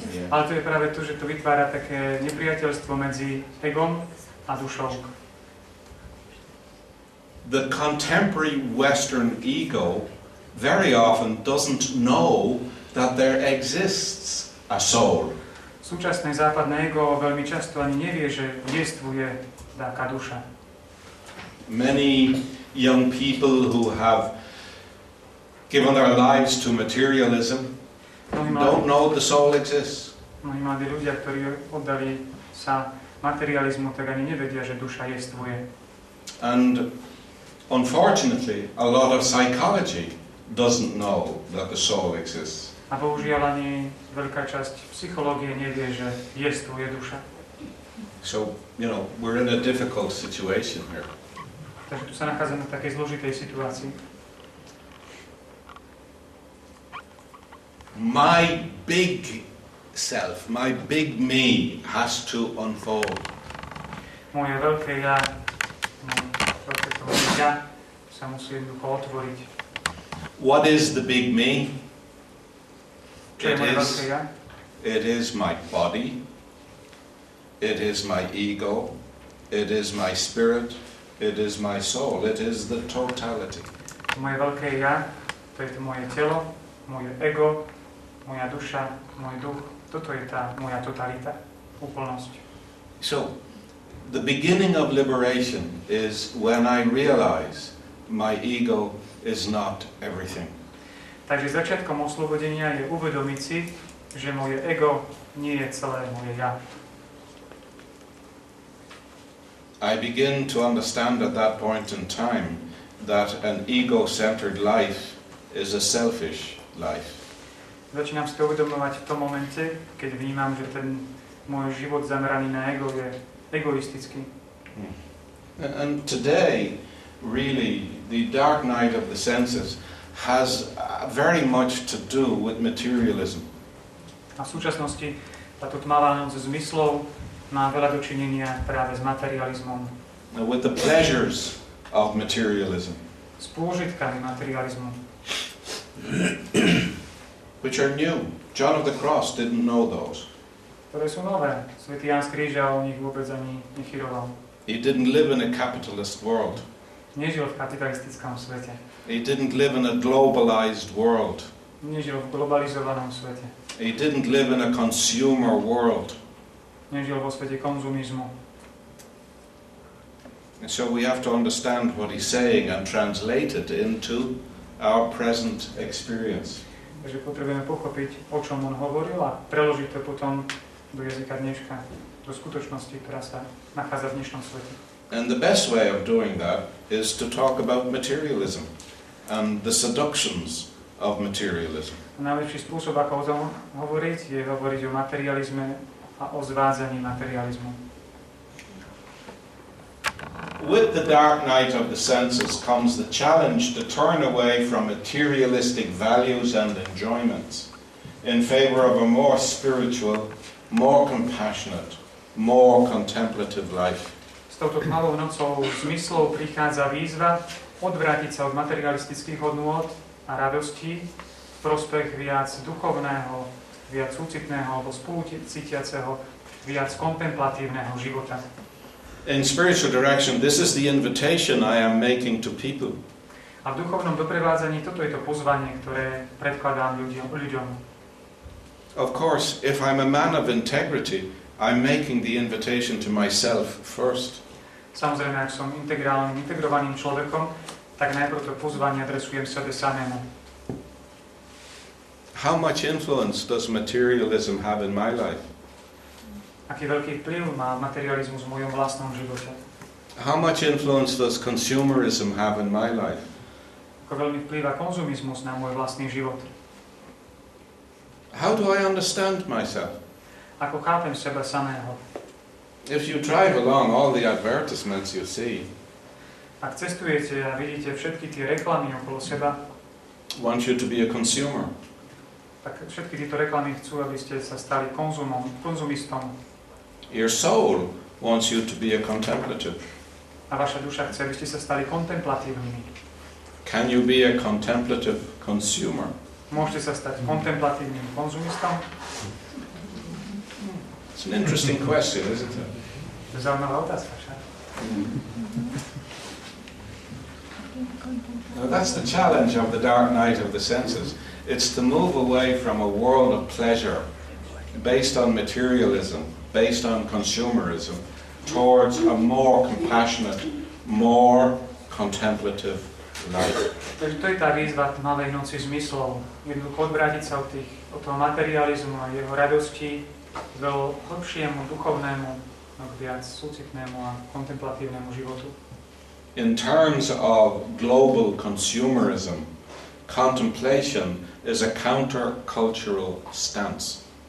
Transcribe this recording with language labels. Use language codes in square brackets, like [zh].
[sk] Ale to je práve to, že to vytvára také nepriateľstvo medzi egom a dušou. [en] The contemporary Western ego very often doesn't know that there exists a soul. [sk] Súčasné západné ego veľmi často ani nevie, že existuje taká duša. [en] Many young people who have given their lives to materialism don't know the soul exists. [sk] Mnohí mladí ľudia, ktorí oddali sa materializmu, tak ani nevedia, že duša existuje. [en] And unfortunately, a lot of psychology doesn't know that the soul exists. [sk] A bohužiaľ ani veľká časť psychológie nevie, že existuje duša. [en] So, you know, we're in a difficult situation here. [sk] Takže tu sa nachádzame v takej zložitej situácii. [en] My big self, my big me has to unfold. [sk] Moje veľké ja, veľké to moje ja, sa musí jednoducho otvoriť. [en] What is the big me? It is my body. It is my ego. It is my spirit. It is my soul. It is the totality. [sk] Moje veľké ja, to je to moje telo, moje ego, moja duša, môj duch. Toto je tá moja totalita, úplnosť. [en] So, the beginning of liberation is when I realize my ego is not everything. [sk] Takže začiatkom oslobodenia je uvedomiť si, že moje ego nie je celé moje ja. [en] I begin to understand at that point in time that an ego-centered life is a selfish life. [sk] Začínam si to uvedomovať v tom momente, keď vnímam, že ten môj život zameraný na ego je egoistický. [en] And today, really, the dark night of the senses has very much to do with materialism. [sk] A v súčasnosti táto tmavá noc zmyslov má veľa dočinenia práve s materializmom. [en] With the pleasures of materialism. [sk] S pôžitkami materializmu. [en] Which are new. John of the Cross didn't know those. [sk] Ktoré sú nové. Svätý Ján z Kríža o nich vôbec ani nechyroval. [en] He didn't live in a capitalist world. [sk] Nežil v kapitalistickom svete. [en] He didn't live in a globalized world. [sk] Nežil v globalizovanom svete. [en] He didn't live in a consumer world. [sk] Nežil vo svete konzumizmu. [en] And so we have to understand what he's saying and translate it into our present experience. [sk] Takže potrebujeme pochopiť, o čom on hovoril a preložiť to potom do jazyka dneška, do skutočnosti, ktorá sa nachádza v dnešnom svete. [en] And the best way of doing that is to talk about materialism and the seductions of materialism. [sk] Najlepší spôsob, ako o tom hovoriť, je hovoriť o materializme a o zvádzaní materializmu. [en] With the dark night of the senses comes the challenge to turn away from materialistic values and enjoyments in favor of a more spiritual, more compassionate, more contemplative life. [sk] S touto tmavou nocou zmyslov prichádza výzva odvrátiť sa od materialistických hodnôt a radosti v prospech viac duchovného, viac súcitného alebo spolucítiaceho, viac kontemplatívneho života. [en] In spiritual direction, this is the invitation I am making to people. [sk] A v duchovnom doprevádzaní toto je to pozvanie, ktoré predkladám ľuďom. [en] Of course, if I'm a man of integrity, I'm making the invitation to myself first. [sk] Samozrejme, ak som integrálnym, integrovaným človekom, tak najprv to pozvanie adresujem sebe samému. [en] How much influence does materialism have in my life? [sk] Aký veľký vplyv má materializmus v mojom vlastnom živote? [en] How much influence does consumerism have in my life? [sk] Ako veľmi vplýva konzumizmus na môj vlastný život? [en] How do I understand myself? [sk] Ako chápem seba samého? [en] If you drive along all the advertisements you see. [sk] Ak cestujete a vidíte všetky tie reklamy okolo seba. [en] Want you to be a consumer. [sk] Tak všetky tieto reklamy chcú, aby ste sa stali konzumom, konzumistom. [en] Your soul wants you to be a contemplative. [sk] A vaša duša chce, aby ste sa stali kontemplatívnymi. [en] Can you be a contemplative consumer? [sk] Môžete sa stať kontemplatívnym konzumistom? [en] It's an interesting question, isn't it? [sk] To je zaujímavá otázka, však? [en] Now that's the challenge of the dark night of the senses. It's to move away from a world of pleasure based on materialism, based on consumerism, towards a more compassionate, more contemplative life. [sk] Takže to je tá výzva tmavej noci zmyslov. Jednoducho odvrátiť sa od toho materializmu a jeho radosti k veľa hlbšiemu, duchovnému, k viac súcitnému a kontemplatívnemu životu. [en] In terms of global consumerism, contemplation is a counter-cultural stance.